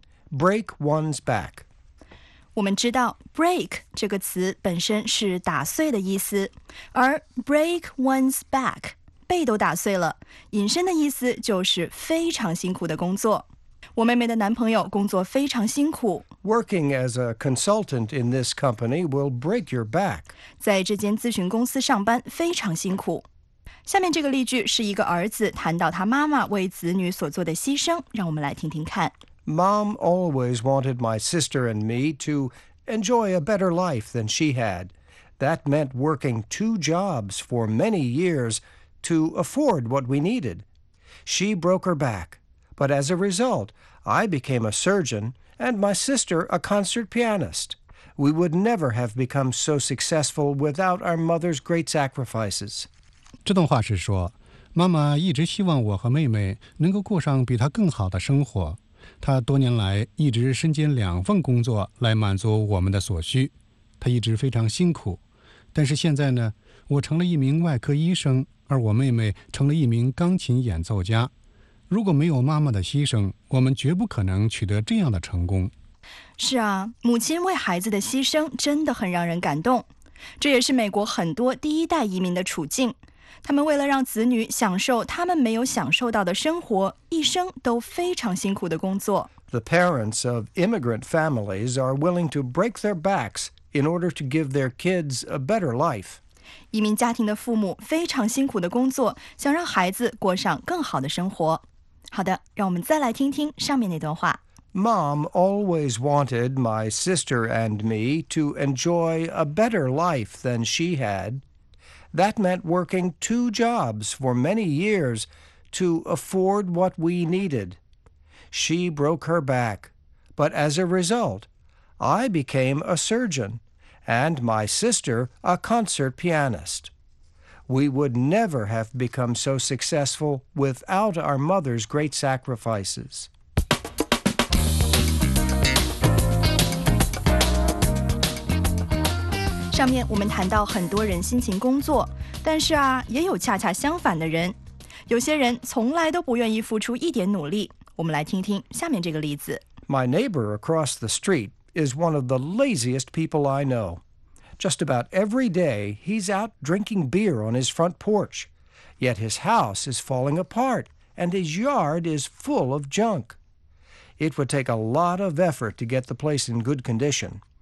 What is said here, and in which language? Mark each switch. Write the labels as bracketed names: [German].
[English] Break one's back. [Chinese] 我们知道 break 这个词本身是打碎的意思，而 break one's back, 背都打碎了，引申的意思就是非常辛苦的工作。我妹妹的男朋友工作非常辛苦。 [English] Working as a consultant in this company will break your back. [Chinese] 在这间咨询公司上班非常辛苦。下面这个例句是一个儿子谈到他妈妈为子女所做的牺牲，让我们来听听看。 [English] Mom always wanted my sister and me to enjoy a better life than she had. That meant working 2 jobs for many years to afford what we needed. She broke her back. But as a result, I became a surgeon and my sister a concert pianist. We would never have become so successful without our mother's great sacrifices. [Chinese] 这段话是说，妈妈一直希望我和妹妹能够过上比她更好的生活。她多年来一直身兼2份工作来满足我们的所需。她一直非常辛苦。但是现在呢，我成了一名外科医生，而我妹妹成了一名钢琴演奏家。如果没有妈妈的牺牲，我们绝不可能取得这样的成功。是啊，母亲为孩子的牺牲真的很让人感动。这也是美国很多第一代移民的处境。他们为了让子女享受他们没有享受到的生活，一生都非常辛苦的工作。 [English] The parents of immigrant families are willing to break their backs in order to give their kids a better life. [Chinese] 移民家庭的父母非常辛苦的工作，想让孩子过上更好的生活。好的，让我们再来听听上面那段话。 [English] Mom always wanted my sister and me to enjoy a better life than she had. That meant working two jobs for many years to afford what we needed. She broke her back, but as a result, I became a surgeon and my sister a concert pianist. We would never have become so successful without our mother's great sacrifices. [Chinese] 上面我们谈到很多人辛勤工作，但是啊，也有恰恰相反的人。有些人从来都不愿意付出一点努力。我们来听听下面这个例子。 [English] My neighbor across the street is one of the laziest people I know. Just about every day, he's out drinking beer on his front porch. Yet his house is falling apart, and his yard is full of junk. It would take a lot of effort to get the place in good condition.